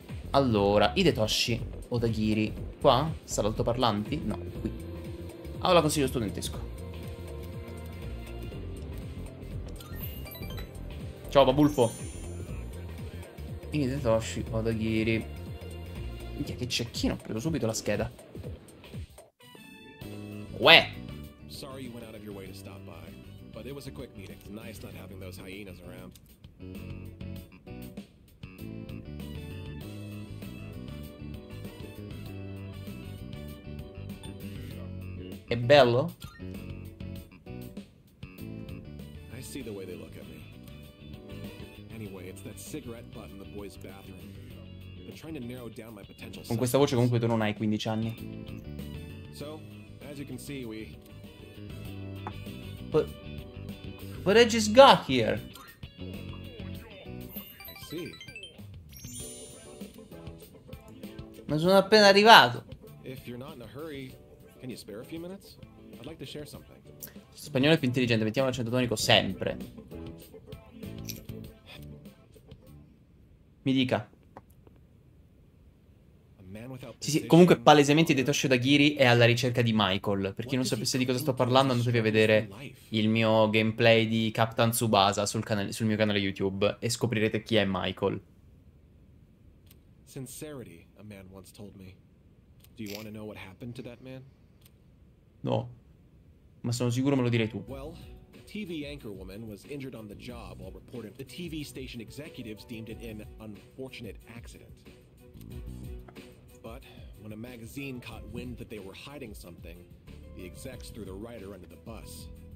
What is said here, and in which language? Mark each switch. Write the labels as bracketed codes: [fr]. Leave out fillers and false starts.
[it] Allora, Hidetoshi Odagiri. Qua? Sala altoparlanti? No, qui. Aula consiglio studentesco. Ciao Babulfo. Hidetoshi Odagiri. Minchia, che cecchino, ho preso subito la scheda. Uè. [en] Sorry you went out of your way to stop by, but it was a quick meeting. It's nice not having those hyenas around. [it] È bello? [en] I see the way they look at me. Anyway, it's that cigarette butt in the boy's bathroom. They're trying to narrow down my potential. [it] Con questa voce comunque tu non hai 15 anni. [en] So, as you can see, we But I just got here. I see. [it] Ma sono appena arrivato. [en] If you're not in a hurry, can you spare a few minutes? I'd like to share something. [it] Spagnolo è più intelligente, mettiamo l'accento tonico sempre. Mi dica. Sì, sì, comunque palesemente Hidetoshi Odagiri è alla ricerca di Michael. Per chi non sapesse di cosa sto parlando, andatevi a vedere il mio gameplay di Captain Tsubasa sul mio canale YouTube e scoprirete chi è Michael. [en] Sincerity, a man once told me. Do you want to know what happened to that man? [it] No, ma sono sicuro me lo direi tu. [en] Well, the TV anchor woman was injured on the job while reporting. The TV station executives deemed it an unfortunate accident. But when a magazine caught wind that they were hiding something, the execs threw the writer under the bus.